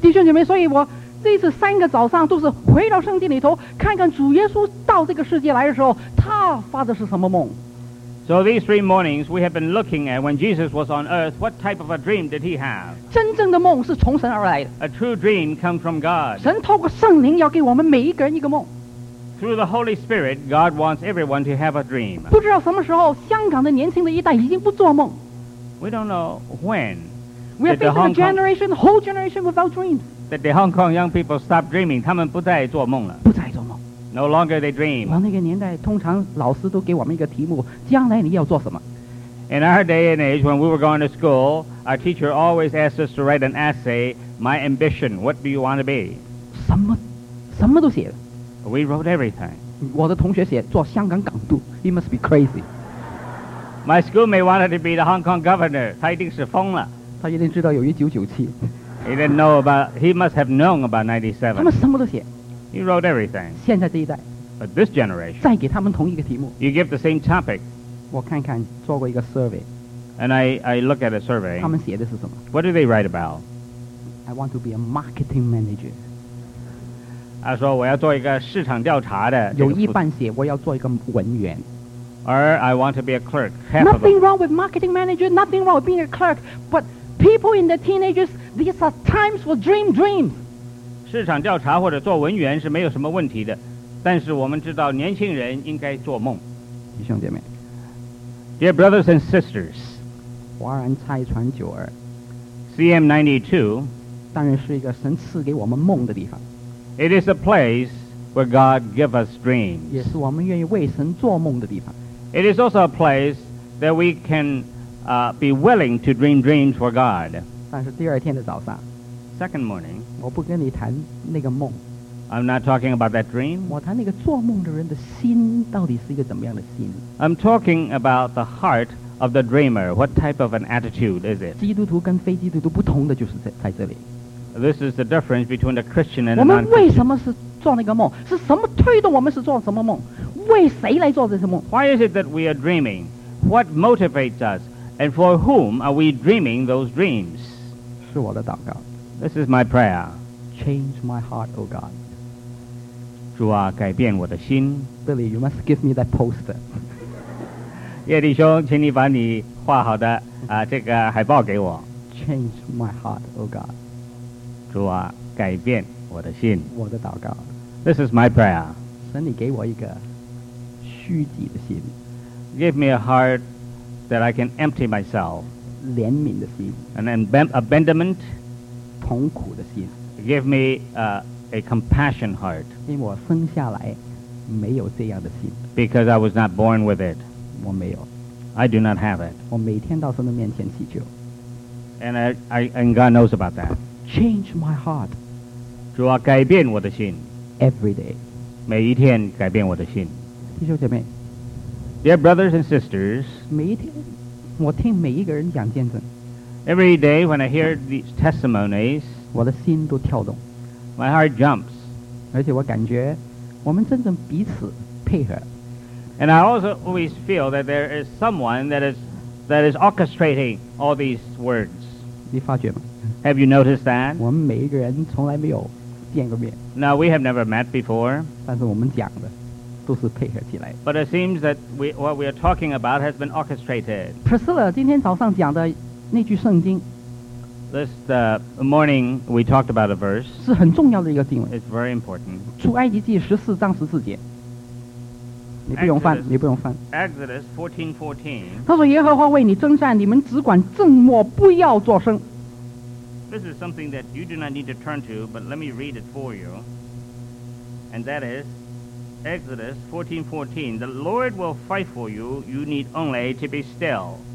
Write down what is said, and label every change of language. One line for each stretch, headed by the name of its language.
Chinese: 弟兄姐妹, 所以我这次三个早上都是回到圣经里头, 看看主耶稣到这个世界来的时候, 他发的是什么梦?
English: So these three mornings, we have been looking at when Jesus was on earth, what type of a dream did he have?
Chinese: 真正的梦是从神而来的。
English: A true dream comes from God.
Chinese: 神透过圣灵要给我们每一个人一个梦。
English: Through the Holy Spirit, God wants everyone to have a dream.
Chinese: 不知道什么时候，香港的年轻的一代已经不做梦。
English: We don't know when. We are facing a generation, whole generation without dreams. That the Hong Kong young people stop dreaming,
Chinese: 他们不再做梦了。不再做梦。
English: No longer they dream.
Chinese: 我那个年代，通常老师都给我们一个题目：将来你要做什么？
English: In our day and age, when we were going to school, our teacher always asked us to write an essay, My ambition, what do you want to be?
Chinese: 什么都写了。
English: We wrote everything.
Chinese: 我的同学写做香港港督
English: He must be crazy. My schoolmate wanted to be the Hong Kong governor.
Chinese: 他一定是疯了。他一定知道有一九九七。
English: He must have known about 97.
Chinese: 他们什么都写。
English: He wrote everything.
Chinese: 现在这一代。
English: But this generation.
Chinese: 再给他们同一个题目。
English: You give the same topic.
Chinese: 我看看做过一个 survey
English: and I look at a survey
Chinese: 他们写的是什么
English: what do they write about I want to be a marketing manager
Chinese: 他说我要做一个市场调查的有一半写我要做一个文员
English: or I want to be a clerk nothing wrong with marketing manager nothing wrong with being a clerk but people in the teenagers these are times for dreams
Chinese: 市场调查或者做文员是没有什么问题的但是我们知道年轻人应该做梦弟兄姐妹
English: Dear brothers and sisters,
Chinese: 华人拆船九儿
English: CM 92
Chinese: 当然是一个神赐给我们梦的地方
English: It is a place where God gives us dreams
Chinese: 也是我们愿意为神做梦的地方
English: It is also a place that we can be willing to dream dreams for God
Chinese: 但是第二天的早上
English: Second morning
Chinese: 我不跟你谈那个梦
English: I'm not talking about that dream
Chinese: 我谈那个做梦的人的心到底是一个怎么样的心
English: I'm talking about the heart of the dreamer. What type of an attitude is it?
Chinese: 基督徒跟非基督徒不同的就是在这里。
English: This is the difference between a Christian and a
Chinese: 我们为什么是做那个梦？是什么推动我们是做什么梦？为谁来做这些梦？
English: Why is it that we are dreaming? What motivates us? And for whom are we dreaming those dreams?
Chinese: 是我的祷告。
English: This is my prayer. Change my heart, O God.
Chinese: 主啊，改变我的心。
English: Billy, you must give me that poster.
Chinese: 叶弟兄，请你把你画好的这个海报给我。
English: Change my heart, O God.
Chinese: 主啊，改变我的心。我的祷告。
English: This is my prayer.
Chinese: 神，你给我一个虚己的心。
English: Give me a heart that I can empty myself.
Chinese: 怜悯的心。
English: An abandonment.
Chinese: 痛苦的心。
English: Give me a compassion heart.
Chinese: 因为我生下来没有这样的心。
English: Because I was not born with it.
Chinese: 我没有
English: I do not have it
Chinese: 我每天到神的面前祈求
English: And, and God knows about that Change my heart
Chinese: 主啊改变我的心
English: Every day
Chinese: 每一天改变我的心弟兄姐妹
English: Dear brothers and sisters
Chinese: 每一天我听每一个人讲见证
English: Every day when I hear these testimonies
Chinese: 我的心都跳动
English: My heart jumps
Chinese: 而且我感觉我们真正彼此配合
English: And I also always feel that there is someone that is orchestrating all these words.
Chinese: 你发觉吗?
English: Have you noticed that?
Chinese: 我们每一个人从来没有见过面。
English: Now we have never met before.
Chinese: 但是我们讲的都是配合起来。
English: But it seems that what we are talking about has been orchestrated.
Chinese: Priscilla, 今天早上讲的那句圣经。
English: This morning we talked about a verse.
Chinese: 是很重要的一个经文。
English: It's very important.
Chinese: 出埃及记十四章十四节。你不用翻
English: Exodus,
Chinese: 你不用翻
English: Exodus 14:14
Chinese: 他说耶和华为你征战你们只管静默不要作声
English: This is something that you do not need to turn to but let me read it for you and that is Exodus 14:14 The Lord will fight for you you need only to be still